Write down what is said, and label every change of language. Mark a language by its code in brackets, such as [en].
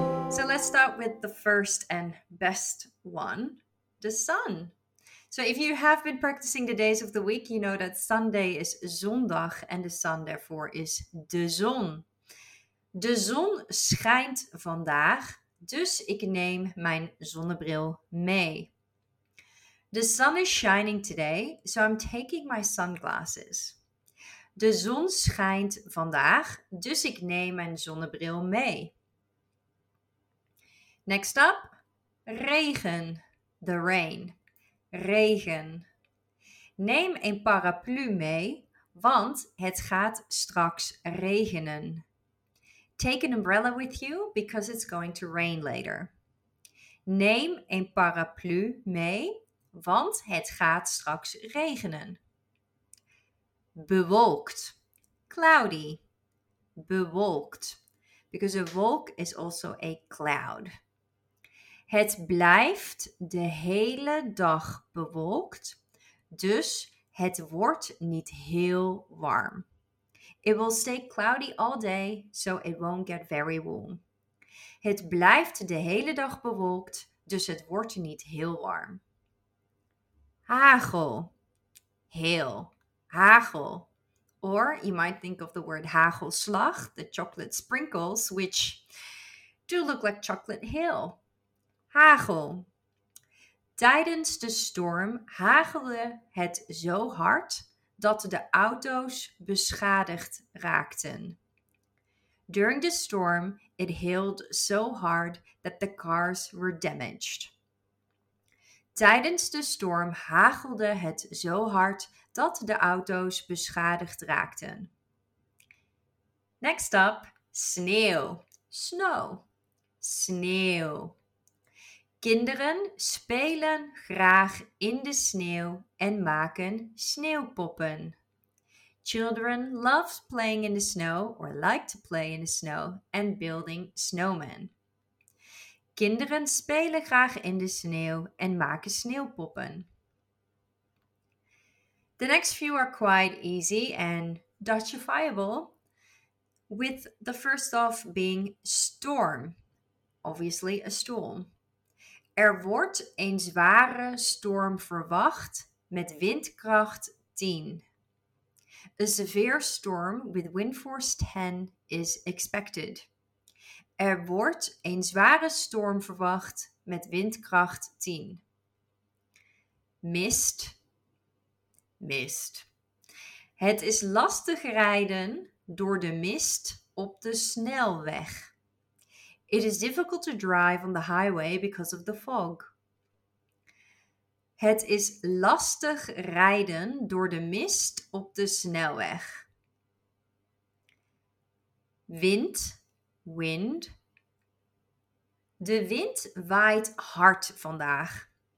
[en] So let's start with the first and best one, the sun. So if you have been practicing the days of the week, you know that Sunday is zondag and the sun therefore is de zon. [nl] De zon schijnt vandaag, dus ik neem mijn zonnebril mee. [en] The sun is shining today, so I'm taking my sunglasses. [nl] De zon schijnt vandaag, dus ik neem mijn zonnebril mee. [en] Next up, regen, the rain. Regen. [nl] Neem een paraplu mee, want het gaat straks regenen. [en] Take an umbrella with you because it's going to rain later. [nl] Neem een paraplu mee, want het gaat straks regenen. Bewolkt. Cloudy. Bewolkt. [en] Because a wolk is also a cloud. [nl] Het blijft de hele dag bewolkt, dus het wordt niet heel warm. [en] It will stay cloudy all day, so it won't get very warm. [nl] Het blijft de hele dag bewolkt, dus het wordt niet heel warm. Hagel. Hail. Hagel. [en] Or you might think of the word hagelslag, the chocolate sprinkles, which do look like chocolate hail. [nl] Hagel. Tijdens de storm hagelde het zo hard dat de auto's beschadigd raakten. [en] During the storm, it hailed so hard that the cars were damaged. [nl] Tijdens de storm hagelde het zo hard dat de auto's beschadigd raakten. [en] Next up, sneeuw. Snow. Sneeuw. [nl] Kinderen spelen graag in de sneeuw en maken sneeuwpoppen. [en] Children love playing in the snow or like to play in the snow and building snowmen. [nl] Kinderen spelen graag in de sneeuw en maken sneeuwpoppen. [en] The next few are quite easy and Dutchifiable, with the first off being storm, obviously a storm. [nl] Er wordt een zware storm verwacht met windkracht 10. [en] A severe storm with wind force 10 is expected. [nl] Er wordt een zware storm verwacht met windkracht 10. Mist. Mist. Het is lastig rijden door de mist op de snelweg. [en] It is difficult to drive on the highway because of the fog. [nl] Het is lastig rijden door de mist op de snelweg. Wind, wind. De wind waait hard vandaag.